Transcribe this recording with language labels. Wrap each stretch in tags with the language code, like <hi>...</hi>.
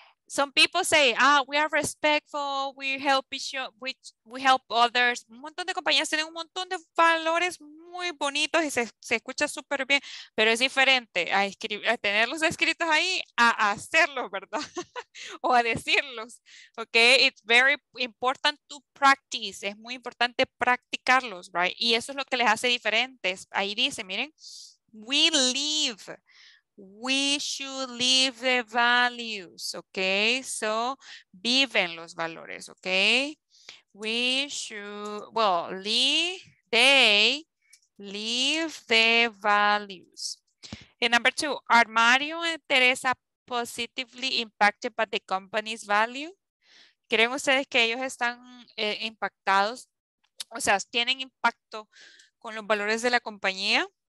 <en>Some people say, we are respectful, we help others.</en> <es>Un montón de compañías tienen un montón de valores muy bonitos y se escucha súper bien, pero es diferente a tenerlos escritos ahí a hacerlos, ¿verdad?</es> <en>o a decirlos, ¿ok? It's very important to practice.</en> <es>Es muy importante practicarlos, right? Y eso es lo que les hace diferentes.</es> <en>Ahí dice, miren, We should live the values, okay? So, viven los valores, okay? We should, they live the values. And number two, are Mario and Teresa positively impacted by the company's value?</en> <es>¿Creen ustedes que ellos están impactados? O sea, ¿tienen impacto con los valores de la compañía?</es>